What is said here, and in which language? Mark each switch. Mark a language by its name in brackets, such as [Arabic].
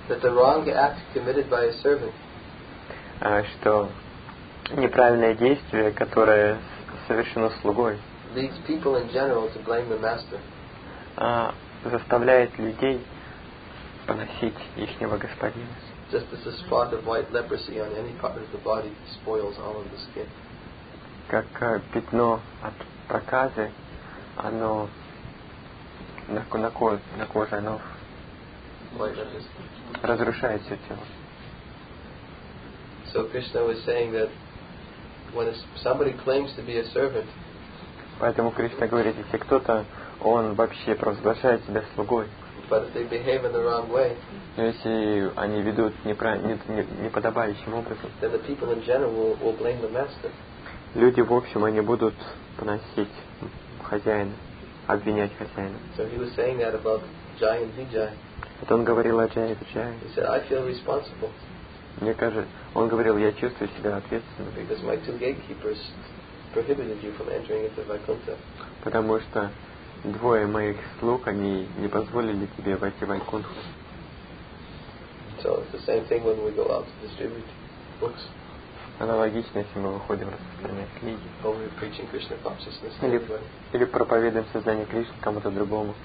[English] That the wrong act committed by a servant. [Russian] Что неправильное действие, которое совершено слугой. [English] Leads people in general to blame the master. [Russian] Заставляет людей поносить ихнего господина. [English] Just as a spot of white leprosy on any part of the body spoils all of the skin. [Russian] Как пятно от проказы, оно на коже, оно разрушает все тело. [English] So Krishna was saying that when somebody claims to be a servant. [Russian] Поэтому Кришна говорит, если кто-то он вообще провозглашает себя слугой. [English] But if they behave in the wrong way, [Russian] но если они ведут неподобающим образом, [English] then the people in general will blame the master. [Russian] Люди в общем они будут поносить хозяина, обвинять хозяина. [English] So he was saying that about Jai and Vijay. [Russian] Вот он говорил о Джай и Виджай. [English] He said, I feel responsible. [Russian] Мне кажется, он говорил, я чувствую себя ответственным. [English] Because my two gatekeepers prohibited you from entering into Vaikuntha. [Russian] Потому что двое моих слуг, они не позволили тебе войти в Вайкунтху. [English] So it's the same thing when we go out to distribute books. [Russian] Аналогично, если мы выходим распространять книги. [English] Or we're preaching Krishna consciousness. [Russian] Или проповедуем сознание Кришны кому-то другому.